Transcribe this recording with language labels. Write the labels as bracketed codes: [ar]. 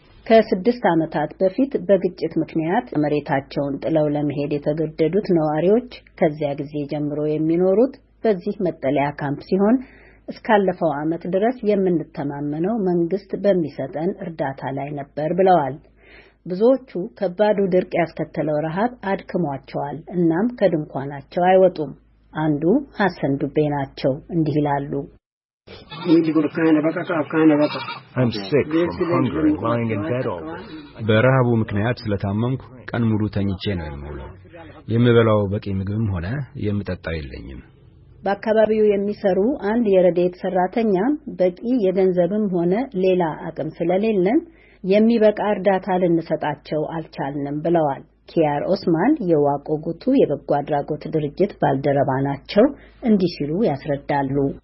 [am] ከ6 አመታት በፊት በግጭት ምክንያት መሬታቸውን ጥለው ለመሄድ የተገደዱት ነዋሪዎች ከዚያ ጊዜ ጀምሮ የሚኖሩት በዚህ መጠለያ ካምፕ ሲሆን እስካለፈው አመት ድረስ የምንተማመነው መንግስት በሚሰጠን እርዳታ ላይ ነበር ብለዋል። ብዙዎቹ ከባዱ ድርቅ ያስከተለው ረሃብ አድክሟቸዋል እናም ከድንኳናቸው አይወጡም። አንዱ ሐሰን ዱቤ ናቸው እንዲህ ይላሉ። [en] I'm sick from hunger and lying in bed all day. [am] በረሃቡ ምክንያት ስለታመምኩ ቀን ሙሉ ተኝቼ ነው የምውለው። የምበላው በቂ ምግብም ሆነ የምጠጣው የለኝም። በአካባቢው የሚሰሩ አንድ የረዴት ሰራተኛ በቂ የገንዘብም ሆነ ሌላ አቅም ስለሌለን የሚበቃ እርዳታ ልንሰጣቸው አልቻልንም ብለዋል። ኪያር ኦስማን የዋቆጉቱ የበጎ አድራጎት ድርጅት ባልደረባ ናቸው እንዲህ ሲሉ ያስረዳሉ።